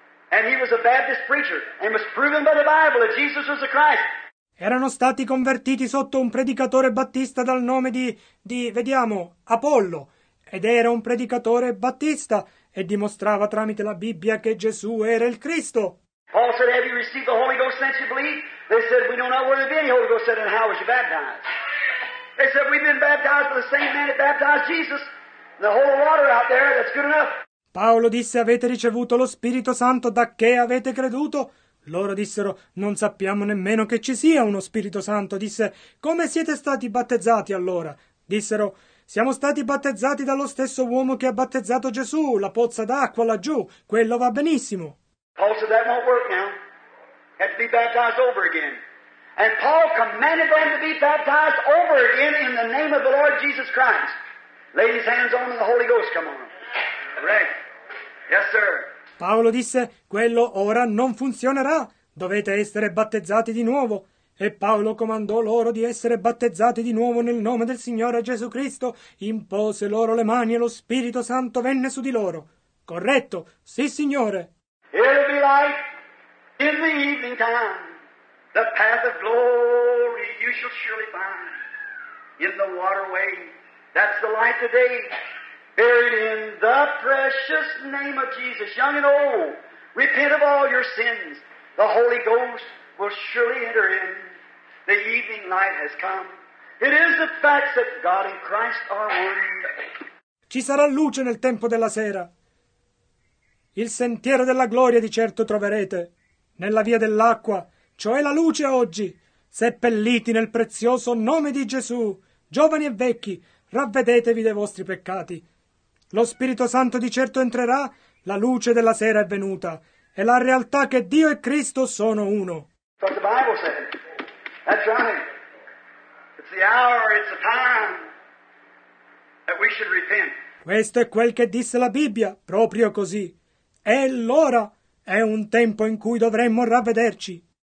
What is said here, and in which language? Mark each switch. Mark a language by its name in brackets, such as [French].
[English] And he was a Baptist preacher. And it was proven by the Bible that Jesus was the Christ. [Italian] Erano stati convertiti sotto un predicatore battista dal nome di Apollo. Ed era un predicatore battista e dimostrava tramite la Bibbia che Gesù era il Cristo. [English] Paul said, have you received the Holy Ghost since you believe? They said, we know not where there be any Holy Ghost. Said, and how was you baptized? They said, we've been baptized by the same man that baptized Jesus. The whole water out there, that's good enough. [Italian] Paolo disse, avete ricevuto lo Spirito Santo da che avete creduto? Loro dissero, non sappiamo nemmeno che ci sia uno Spirito Santo. Disse, come siete stati battezzati allora? Dissero, siamo stati battezzati dallo stesso uomo che ha battezzato Gesù, la pozza d'acqua laggiù, quello va benissimo. [English] Paul said that won't work now. Have to be baptized over again. And Paul commanded them to be baptized over again in the name of the Lord Jesus Christ. Lay his hands on and the Holy Ghost come on. Right. Yes, sir. [Italian] Paolo disse, quello ora non funzionerà, dovete essere battezzati di nuovo. E Paolo comandò loro di essere battezzati di nuovo nel nome del Signore Gesù Cristo, impose loro le mani e lo Spirito Santo venne su di loro. Corretto, sì Signore. [English] It'll be like in the evening time, the path of glory you shall surely find in the waterway. That's the light of day, buried in the precious name of Jesus. Young and old, repent of all your sins. The Holy Ghost will surely enter in. The evening light has come. It is the fact that God and Christ are one. [Italian] Ci sarà luce nel tempo della sera. Il sentiero della gloria di certo troverete. Nella via dell'acqua, cioè la luce oggi, seppelliti nel prezioso nome di Gesù. Giovani e vecchi, ravvedetevi dei vostri peccati. Lo Spirito Santo di certo entrerà, la luce della sera è venuta. E la realtà che Dio e Cristo sono uno. [English] What the Bible said. That's right. It's the hour, it's the time. that we should repent. [Italian] Questo è quel che disse la Bibbia, proprio così. E allora è un tempo in cui dovremmo ravvederci.